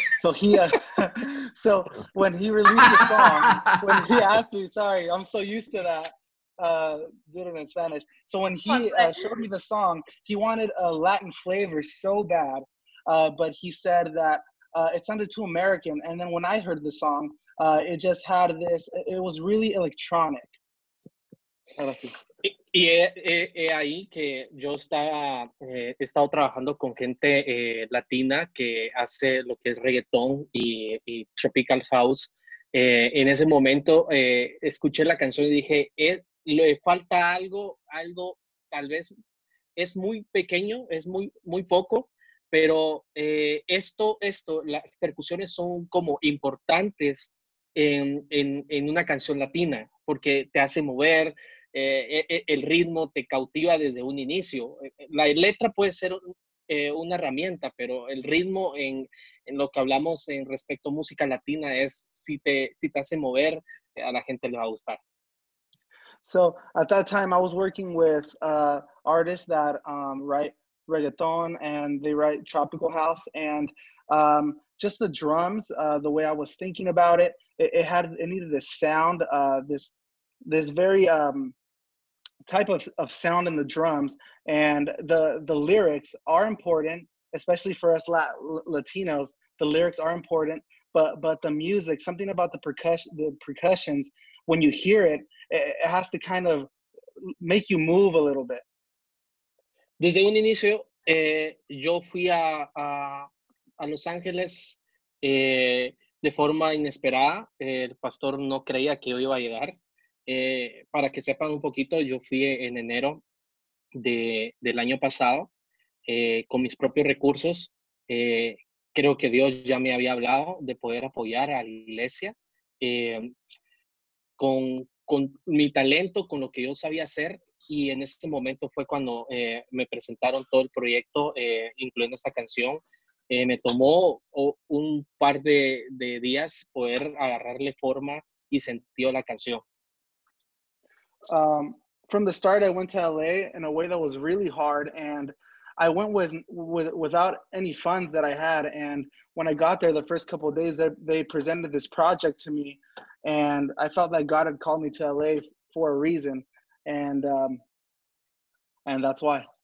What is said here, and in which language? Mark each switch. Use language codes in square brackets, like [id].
[en] So he, so when he released the song, when he asked me, sorry, I'm so used to that, did it in Spanish. So when he showed me the song, he wanted a Latin flavor so bad, but he said that it sounded too American. And then when I heard the song, it just had this, it was really electronic. [es] Y es ahí que yo he estado trabajando con gente latina que hace lo que es reggaetón y tropical house. En ese momento escuché la canción y dije, le falta algo, tal vez es muy pequeño, es muy, muy poco, pero esto, las percusiones son como importantes en una canción latina porque te hace mover. El ritmo te cautiva desde un inicio. La letra puede ser una herramienta, pero el ritmo en lo que hablamos en respecto a música latina es si te hace mover, a la gente le va a gustar. [en] So, at that time I was working with artists that write reggaeton and they write tropical house and just the drums, the way I was thinking about it, it needed this sound, this very type of sound in the drums, and the lyrics are important, especially for us Latinos. The lyrics are important, but the music, something about the percussions, when you hear it, it has to kind of make you move a little bit. [es] Desde un inicio, yo fui a Los Ángeles de forma inesperada. El pastor no creía que yo iba a llegar. Para que sepan un poquito, yo fui en enero del año pasado con mis propios recursos. Creo que Dios ya me había hablado de poder apoyar a la iglesia con mi talento, con lo que yo sabía hacer. Y en ese momento fue cuando me presentaron todo el proyecto, incluyendo esta canción. Me tomó un par de días poder agarrarle forma y sentir la canción. [en] From the start, I went to LA in a way that was really hard, and I went with without any funds that I had. And when I got there, the first couple of days, they presented this project to me, and I felt that God had called me to LA for a reason, and that's why.